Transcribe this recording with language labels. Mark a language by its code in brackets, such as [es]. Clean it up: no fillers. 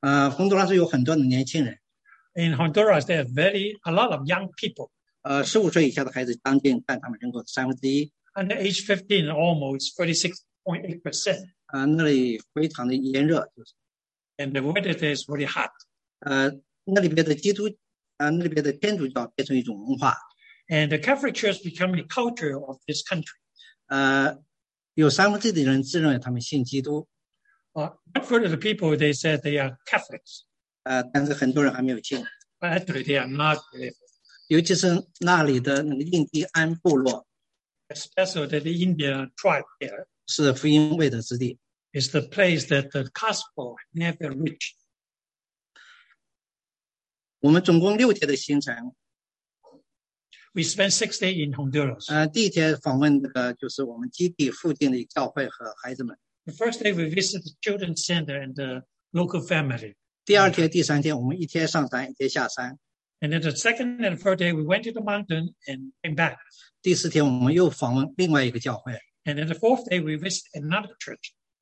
[zh] 洪都拉斯有很多的年轻人。 [en] In Honduras, there are a lot of young people. [zh] 15岁以下的孩子将近占他们人口的三分之一。 [en] Under age 15, almost 36.8%. [zh] 那里非常的炎热，就是。 [en] And the weather there is really hot. [zh] 那里边的基督，那里边的天主教变成一种文化。 [en] And the Catholic Church becoming a culture of this country. [zh] 有三分之一的人自认为他们信基督。 [en] One third of the people, they said they are Catholics. [zh] 但是很多人还没有信。 [en] But actually, they are not believers. [zh] 尤其是那里的那个印第安部落。 [en] Especially that the Indian tribe there. [zh] 是福音未得之地。 [en] It's the place that the gospel never reached. [zh] 我们总共六天的行程。 [en] We spent 6 days in Honduras. [zh] 第一天访问的就是我们基地附近的教会和孩子们。 [en] The first day, we visit the children's center and the local family. [zh] 第二天, 第三天, 我们一天上山, [en] and then the second and third day, we went to the mountain and came back. [zh] 第四天, [en] and then the fourth day, we visit another church.